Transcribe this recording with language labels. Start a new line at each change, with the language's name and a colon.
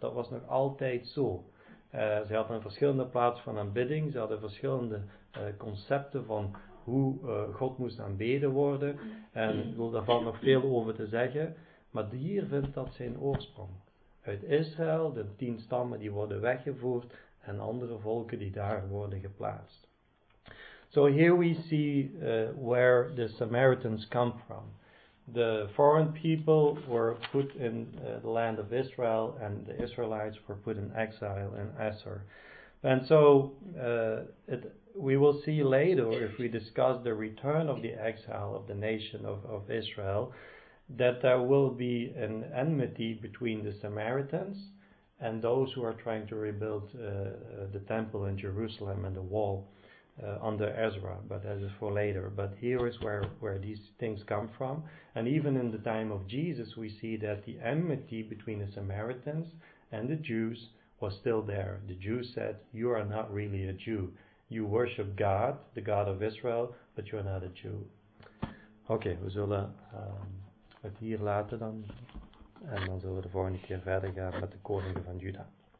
Dutch: Dat was nog altijd zo. Ze hadden een verschillende plaats van aanbidding, ze hadden verschillende concepten van hoe God moest aanbeden worden. En ik wil daarvan nog veel over te zeggen. Maar hier vindt dat zijn oorsprong. Uit Israël, de 10 stammen die worden weggevoerd. En andere volken die daar worden geplaatst.
English: So here we see where the Samaritans come from. The foreign people were put in the land of Israel. And the Israelites were put in exile in Assur. And so we will see later, if we discuss the return of the exile of the nation of Israel, that there will be an enmity between the Samaritans and those who are trying to rebuild the temple in Jerusalem and the wall. under Ezra, but that is for later. But here is where these things come from. And even in the time of Jesus, we see that the enmity between the Samaritans and the Jews was still there. The Jews said, "You are not really a Jew. You worship God, the God of Israel, but you are not a Jew."
Dutch: Okay, we zullen het hier laten dan. En dan zullen we de volgende keer verder gaan met de koningen van Juda.